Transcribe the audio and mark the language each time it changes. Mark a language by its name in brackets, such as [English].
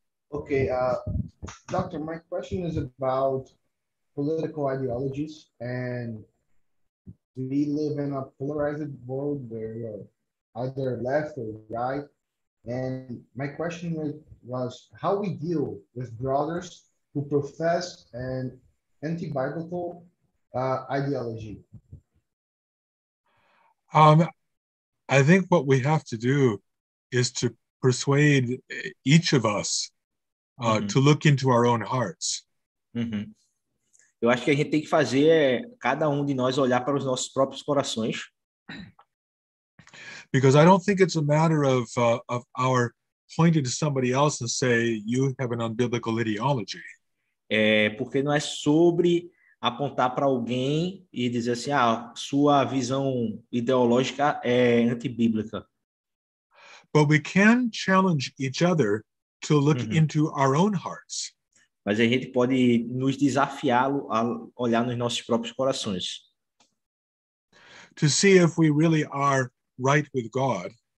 [English] Okay, doctor, my question is about political ideologies, and we live in a polarized world where you're either left or right, and my question was how we deal with brothers who profess an anti-biblical ideology? I think what we have to do is to persuade each of us to look into our own hearts. Uhum. [Portuguese] Eu acho que a gente tem que fazer cada um de nós olhar para os nossos próprios corações. [English] Because I don't think it's a matter of our pointing to somebody else and say you have an unbiblical ideology. [Portuguese] É porque não é sobre apontar para alguém e dizer assim, sua visão ideológica é antibíblica. [English] But we can challenge each other to look into our own hearts. [Portuguese] Mas a gente pode nos desafiar a olhar nos nossos próprios corações. [English] To see if we really are right with God.